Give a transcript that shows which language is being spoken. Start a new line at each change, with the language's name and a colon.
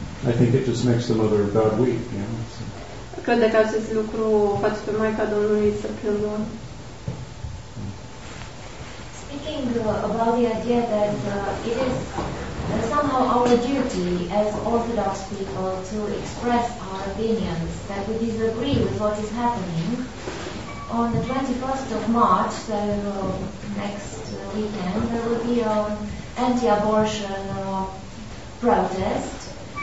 English: I think it just makes the mother of God weep, you know.
Romanian: Cred că acest lucru face pe Maica Domnului să plângă.
English: Speaking about the idea that it is somehow our duty as Orthodox people to express our opinions that we disagree with what is happening. On the 21st of March, so next weekend, there will be an anti-abortion protest.